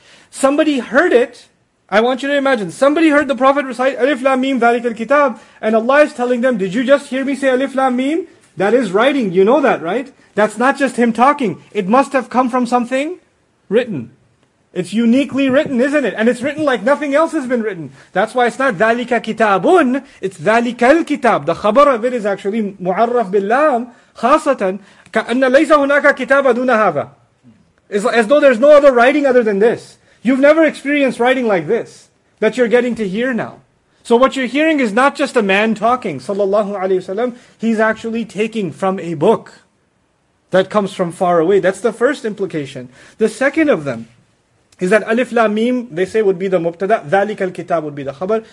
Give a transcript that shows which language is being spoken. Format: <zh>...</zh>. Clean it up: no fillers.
<en>Somebody heard it. I want you to imagine, somebody heard the Prophet recite alif lam mim, dhalik al-kitab, and Allah is telling them, did you just hear me say alif lam mim? That is writing, you know that, right? That's not just him talking. It must have come from something written. It's uniquely written, isn't it? And it's written like nothing else has been written. That's why it's not</en> <ar>ذَلِكَ كِتَابٌ,</ar> <en>it's</en> <ar>ذَلِكَ الْكِتَابُ.</ar> <en>The khabar of it is actually</en> <ar>مُعَرَّف بِاللَّامِ خَاصَةً كَأَنَّ لَيْسَ هُنَاكَ كِتَابَ دُونَ هَذَا.</ar> <en>It's as though there's no other writing other than this. You've never experienced writing like this, that you're getting to hear now. So what you're hearing is not just a man talking, sallallahu alayhi wasallam. He's actually taking from a book that comes from far away. That's the first implication. The second of them is that alif lam mim, they say, would be the mubtada,</en> <ar>ذَلِكَ الْكِتَابُ</ar> <en>would be the khabar.</en>